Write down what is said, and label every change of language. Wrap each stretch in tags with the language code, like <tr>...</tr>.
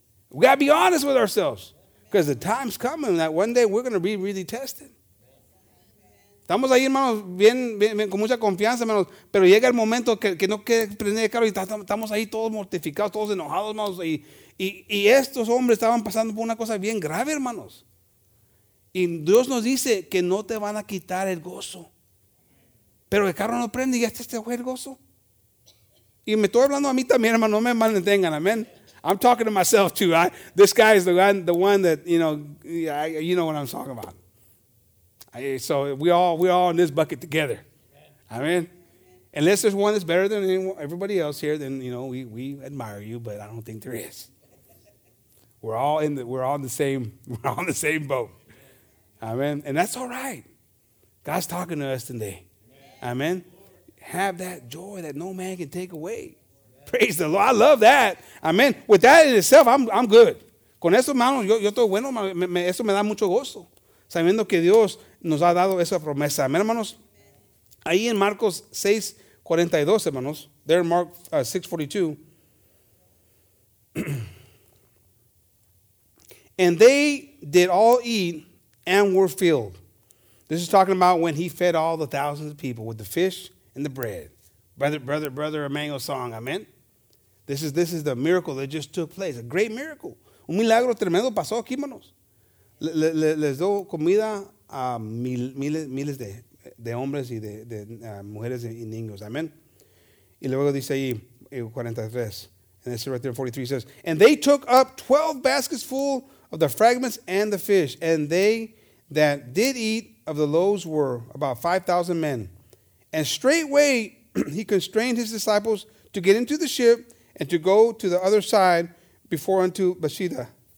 <en>We got to be honest with ourselves. Because the time's coming that one day we're going to be really tested.</en> <es>Estamos ahí, hermanos, bien, con mucha confianza, hermanos. Pero llega el momento que no quede prender el carro y estamos ahí todos mortificados, todos enojados, hermanos. Y estos hombres estaban pasando por una cosa bien grave, hermanos. Y Dios nos dice que no te van a quitar el gozo. Pero el carro no prende y ya está este juez el gozo. Y me estoy hablando a mí también, hermano. No me malentendan, amén.</es> <en>I'm talking to myself too. This guy is the one that, you know what I'm talking about. So we all in this bucket together. Amen. Unless there's one that's better than everybody else here, then we admire you, but I don't think there is. We're all in the same boat. Amen. And that's all right. God's talking to us today. Amen. Have that joy that no man can take away. Praise the Lord. I love that. Amen. With that in itself, I'm good.</en> <es>Con eso, hermano, yo estoy bueno, eso me da mucho gusto. Sabiendo que Dios nos ha dado esa promesa. Amén, hermanos. Ahí en Marcos 6:42, hermanos.</es> <en>There in Mark 6:42. And they did all eat and were filled. This is talking about when he fed all the thousands of people with the fish and the bread. Brother Emmanuel song. Amen. This is the miracle that just took place. A great miracle.</en> <es>Un milagro tremendo pasó aquí, hermanos. Les doy comida a miles de hombres y de mujeres y niños. Amen. Y luego dice ahí, 43.</es> <en>And it's right there, 43 says, and they took up 12 baskets full of the fragments and the fish. And they that did eat of the loaves were about 5,000 men. And straightway he constrained his disciples to get into the ship and to go to the other side before unto Bethsaida.</en>